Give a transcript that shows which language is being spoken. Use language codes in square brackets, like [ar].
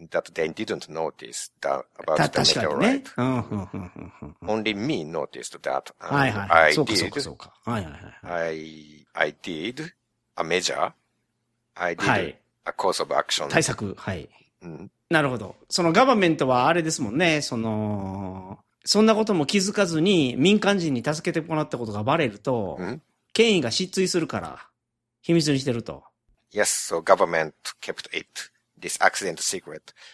[en] that they didn't notice that about the meteorite.、ね、Only me noticed that. [ja] はいはい、はい、そうかそうか。はいはいはい。 [en] I did a measure. I did a course of action. [ja] 対策。はい。なるほど。そのガバメントはあれですもんね。その、そんなことも気づかずに民間人に助けてもらったことがバレると、権威が失墜するから、秘密にしてると。 [en] Yes, so government kept it, this accident secret.